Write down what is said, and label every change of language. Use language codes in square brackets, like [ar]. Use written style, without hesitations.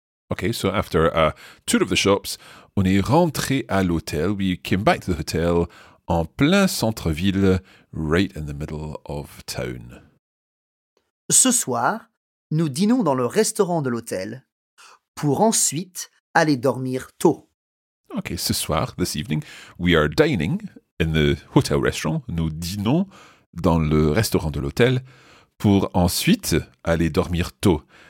[en] Okay, so after a tour of the shops, [fr] on est rentré à l'hôtel. [en] We came back to the hotel [fr] en plein centre-ville, [en] right in the middle of town. [fr] Ce soir, nous dînons dans le restaurant de l'hôtel pour ensuite aller dormir tôt. [en] Okay, [fr] ce soir, [en] this evening, we are dining in the hotel restaurant. [fr] Nous dînons dans le restaurant de l'hôtel pour ensuite aller dormir tôt.